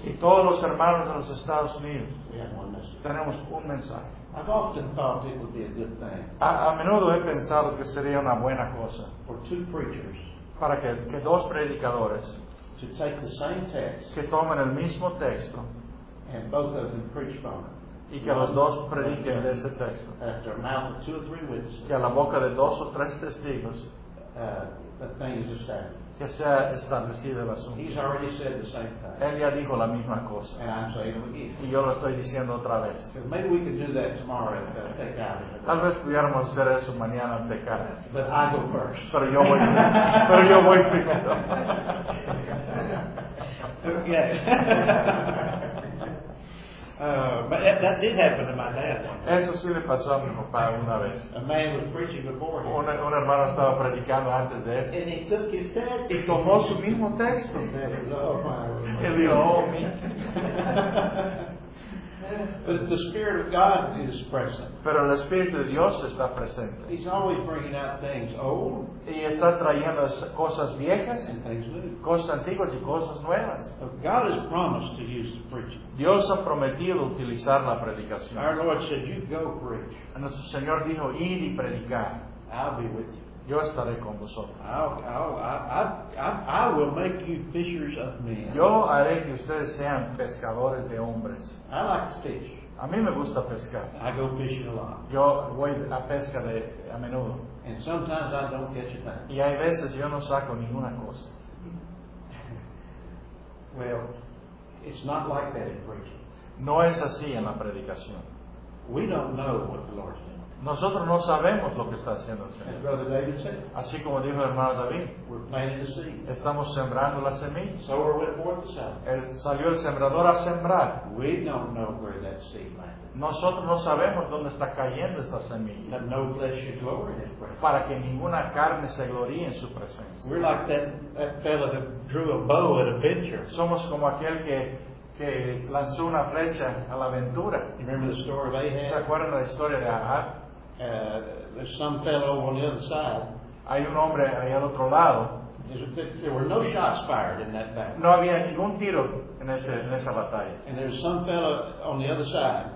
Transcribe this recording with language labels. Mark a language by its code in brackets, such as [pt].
[es] Y todos los hermanos de los Estados Unidos. [en] We have one message. [es] Tenemos un mensaje. [en] I've often thought it would be a good thing. [es] A menudo he pensado que sería una buena cosa. [en] For two preachers. [es] Para que dos predicadores. [en] To take the same text. [es] Que tomen el mismo texto. [en] And both of them preach from it. [es] Y que los dos prediquen de ese texto. [en] After a mouth of two or three witnesses. [es] Que a la boca de dos o tres testigos. [en] The thing is established. [es] Que sea establecido el asunto. [en] He's already said the same thing. [es] Él ya dijo la misma cosa. [en] And I'm saying it again. [es] Y yo lo estoy diciendo otra vez. [en] Maybe we can do that tomorrow at Tecate. [es] Tal vez pudiéramos hacer eso mañana en Tecate. [en] But I go first. [es] Pero yo voy primero. [en] Okay. But that did happen to my dad. [es] Eso sí le pasó a mi papá una vez. [en] A man was preaching before him. [es] Un hermano estaba predicando antes de él. [en] And he took his text. [es] Y tomó su mismo texto. Oh, y dijo, oh, me. [en] But the Spirit of God is present. [es] Pero el Espíritu de Dios está presente. [en] He's always bringing out things old. [es] Y está trayendo cosas viejas. [en] And things new. [es] Cosas antiguas y cosas nuevas. [en] God has promised to use the preaching. [es] Dios ha prometido utilizar la predicación. [en] Our Lord said, "You go preach." [es] Nuestro Señor dijo, "Id y predicar." [en] I'll be with you. [es] Yo estaré con vosotros. [en] I will make you fishers of men. [es] Yo haré que ustedes sean pescadores de hombres. [en] I like to fish. [es] A mí me gusta pescar. [en] I go fishing a lot. [es] Yo voy a pesca a menudo. [en] And sometimes I don't catch a thing. [es] Y hay veces yo no saco ninguna cosa. [en] Well, it's not like that in preaching. [es] No es así en la predicación. [en] We don't know what the Lord's doing. [es] Nosotros no sabemos lo que está haciendo el Señor. [en] As Brother David said, [es] así como dijo el hermano David, [en] we're planting the seed. [es] Estamos sembrando la semilla. [en] So we went forth to sow. [es] Salió el sembrador a sembrar. [en] We don't know where that seed landed. [es] Nosotros no sabemos dónde está cayendo esta semilla. [en] That no flesh should glory in His presence. [es] Para que ninguna carne se gloríe en su presencia. [en] We're like that fellow that drew a bow at a venture. [es] Somos como aquel que lanzó una flecha a la aventura. [en] You remember the story of Ahab? [es] ¿Se acuerdan la historia de Ahab? [en] There's some fellow on the other side. [es] Hay un hombre ahí al otro lado. [en] There were no shots fired in that battle. [es] No había ningún tiro en esa batalla. [en] And there's some fellow on the other side.